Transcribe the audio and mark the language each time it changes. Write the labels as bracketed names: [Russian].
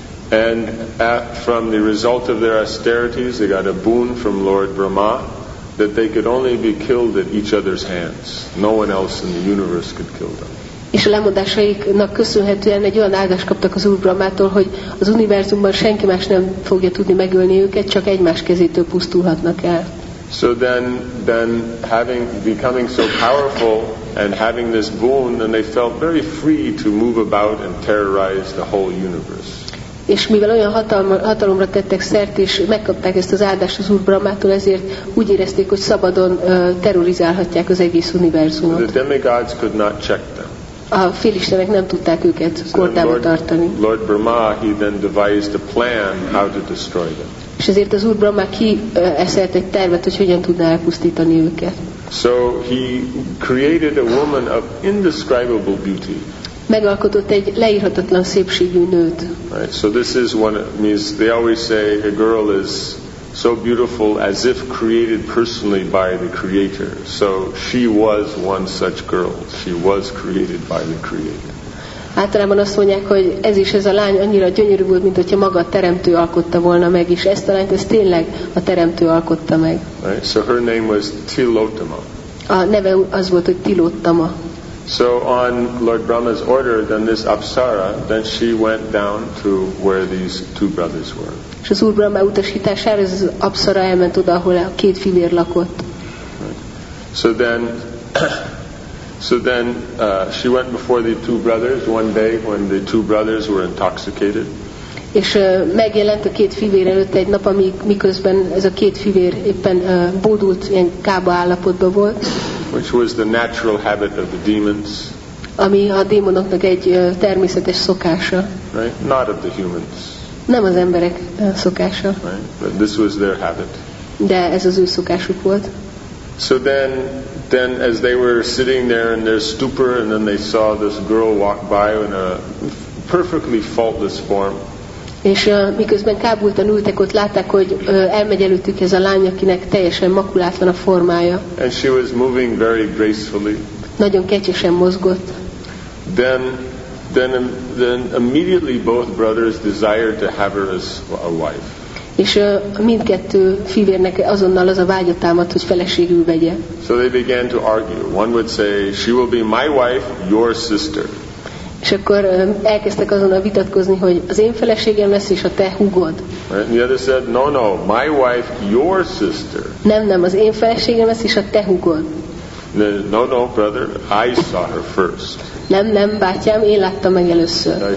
[English] And from the result of their austerities, they got a boon from Lord Brahma that they could only be killed at each other's hands. No one else in the universe could kill them. [Hungarian] És a lemondásaiknak köszönhetően egy olyan áldást kaptak az Úr Brahmától, hogy az univerzumban senki más nem fogja tudni megölni őket, csak egymás kezétől pusztulhatnak el. [English] So then having becoming so powerful and having this boon, then they felt very free to move about and terrorize the whole universe. [Hungarian] És mivel olyan hatalomra tettek szert, és megkapták ezt az áldást az Úr Brahmától, ezért úgy érezték, hogy szabadon terrorizálhatják az egész univerzumot. [English] The demigods could not check them. [Hungarian] A félistenek nem tudták őket kordába tartani. [English] Lord Brahma, he then devised a plan how to destroy them. [Hungarian] És ezért az Úr Brahma kieszelt egy tervet, hogy hogyan tudná elpusztítani őket. [English] So he created a woman of indescribable beauty. [Hungarian] Megalkotott egy leírhatatlan szépségű nőt. [English] Right, so this is one means they always say a girl is so beautiful as if created personally by the creator. So she was one such girl. She was created by the creator. [Hungarian] Általában azt mondják, hogy ez is ez a lány annyira gyönyörű volt, mint hogyha maga a teremtő alkotta volna meg, és ezt a lányt, ez tényleg a teremtő alkotta meg. [English] Right, so her name was Tilottama. [Hungarian] A neve az volt, hogy Tilottama. [English] So on Lord Brahma's order, then this apsara, then she went down to where these two brothers were. [Hungarian] És az Úr Brahma utasítására ez az apsara elment oda, ahol a két fivér lakott. [English] So then she went before the two brothers one day when the two brothers were intoxicated. [Hungarian] És megjelent a két fivér előtt egy nap, miközben ez a két fivér éppen bódult, ilyen kába állapotban volt. [English] Which was the natural habit of the demons. [Hungarian] Ami a démonoknak egy természetes szokása. [English] Right? Not of the humans. [Hungarian] Nem az emberek szokása. [English] Right? But this was their habit. [Hungarian] De ez az ő szokásuk volt. [English] So then as they were sitting there in their stupor, and then they saw this girl walk by in a perfectly faultless form. [Hungarian] És miközben kábultan ültek, ott látták, hogy elmegy előttük ez a lány, akinek teljesen makulátlan a formája. [English] And she was moving very gracefully. [Hungarian] Nagyon kecsesen mozgott. [English] Then immediately both brothers desired to have her as a wife. [Hungarian] És mindkettő fivérnek azonnal az a vágya támadt, hogy feleségül vegye. [English] So they began to argue. One would say, she will be my wife, your sister. [Hungarian] És akkor elkezdtek azon a vitatkozni, hogy az én feleségem lesz és a te húgod. [English] And the other said, no, no, my wife, your sister. [Hungarian] Nem, nem, az én feleségem lesz és a te húgod. [English] No, no, brother, I saw her first. [Hungarian] Nem, nem, bátyám, én láttam meg először.